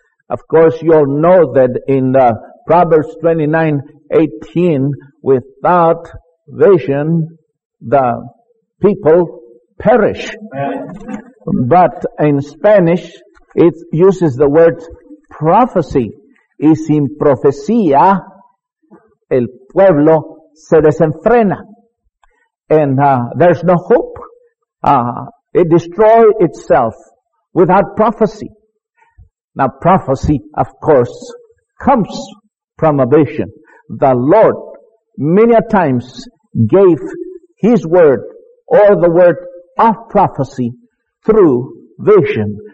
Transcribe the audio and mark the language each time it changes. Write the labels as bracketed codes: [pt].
[en] Of course you all know that in Proverbs 29:18, without vision the people perish. But in Spanish it uses the word prophecy. [es] Y sin profecía, el pueblo se desenfrena. [en] And there's no hope. It destroys itself without prophecy. Now prophecy, of course, comes from a vision. The Lord many a times gave his word or the word of prophecy through vision.